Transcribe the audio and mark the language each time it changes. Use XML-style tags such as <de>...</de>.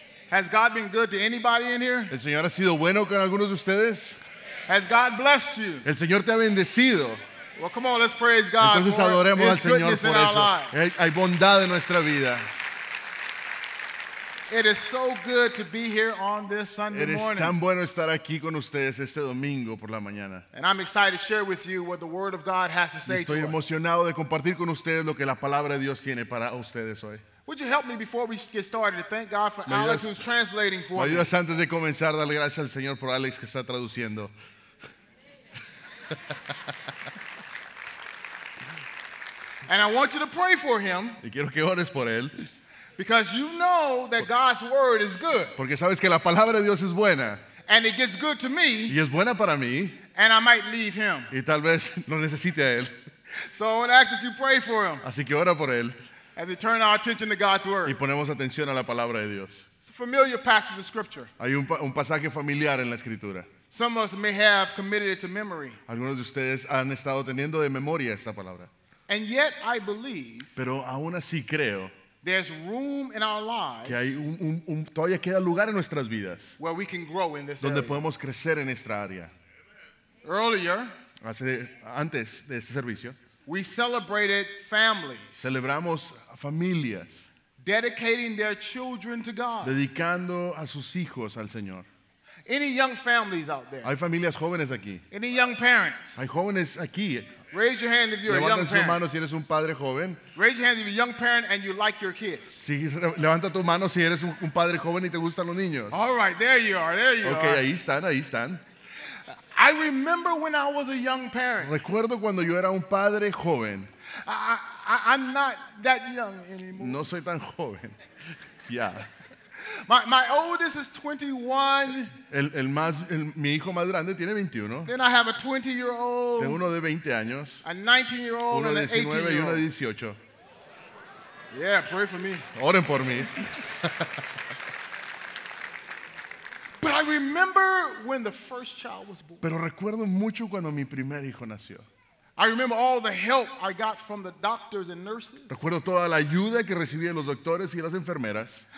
<en>Has God been good to anybody in here?</en> <es>¿El Señor ha sido bueno con algunos de ustedes?</es> <en>Has God blessed you?</en> <es>¿El Señor te ha bendecido?</es> <en>Well, come on, let's praise God.</en> <es>Entonces adoremos al Señor por eso. Hay bondad en nuestra vida.</es> <en>It is so good to be here on this Sunday morning.</en> <es>Es tan bueno estar aquí con ustedes este domingo por la mañana.</es> <en>And I'm excited to share with you what the Word of God has to say to us.</en> <es>Estoy emocionado de compartir con ustedes lo que la palabra de Dios tiene para ustedes hoy.</es> <en>Would you help me before we get started to thank God for Alex who's translating for me?</en> <es>¿Me ayudas antes de comenzar a darle gracias al Señor por Alex que está traduciendo?</es> <en>And I want you to pray for him.</en> <es>Y quiero que ores por él.</es> <en>Because you know that God's word is good.</en> <es>Porque sabes que la palabra de Dios es buena.</es> <en>And it gets good to me.</en> <es>Y es buena para mí.</es> <en>And I might leave him.</en> <es>Y tal vez lo necesite a él.</es> <en>So I want to ask that you pray for him.</en> <es>Así que ora por él.</es> <en>And we turn our attention to God's word.</en> <es>Y ponemos atención a la palabra de Dios.</es> <en>It's a familiar passage of scripture.</en> <es>Hay un pasaje familiar en la escritura.</es> <en>Some of us may have committed it to memory.</en> <es>Algunos de ustedes han estado teniendo de memoria esta palabra.</es> <en>And yet I believe.</en> <es>Pero aún así creo.</es> <en>There's room in our lives.</en> <es>Que hay un todavía queda lugar en nuestras vidas.</es> <en>Where we can grow in this.</en> <es>Donde</es> <en>area.</en> <es>Podemos crecer en esta área.</es> <en>Earlier.</en> <es>Antes de este servicio.</es> <en>We celebrated families.</en> <es>Celebramos familias.</es> <en>Dedicating their children to God.</en> <es>Dedicando a sus hijos al Señor.</es> <en>Any young families out there?</en> <es>Hay familias jóvenes aquí.</es> <en>Any young parents?</en> <es>Hay jóvenes aquí.</es> <en>Raise your hand if you're</en> <es>levanta</es> <en>a young parent.</en> <es>Levanta tu mano si eres un padre joven.</es> <en>Raise your hand if you're a young parent and you like your kids.</en> <es>Sí, levanta tu mano si eres un padre joven y te gustan los niños.</es> <en>All right, there you are, there you okay, are.</en> <es>Okay, ahí están, ahí están.</es> <en>I remember when I was a young parent.</en> <es>Recuerdo cuando yo era un padre joven.</es> <en>I'm not that young anymore.</en> <es>No soy tan joven. Yeah.</es> <en>My oldest is 21.</en> <es>Mi hijo más grande tiene 21.</es> <en>Then I have a 20-year-old.</en> <es>Tengo uno de 20 años.</es> <en>A 19-year-old and an 18-year-old.</en> <es>Uno de 19 y uno de</es> <en>18. Yeah, pray for me.</en> <es>Oren por mí.</es> <en>But I remember when the first child was born.</en> <es>Pero recuerdo mucho cuando mi primer hijo nació.</es> <en>I remember all the help I got from the doctors and nurses.</en> <es>Recuerdo toda la ayuda que recibí de los doctores y las enfermeras.</es>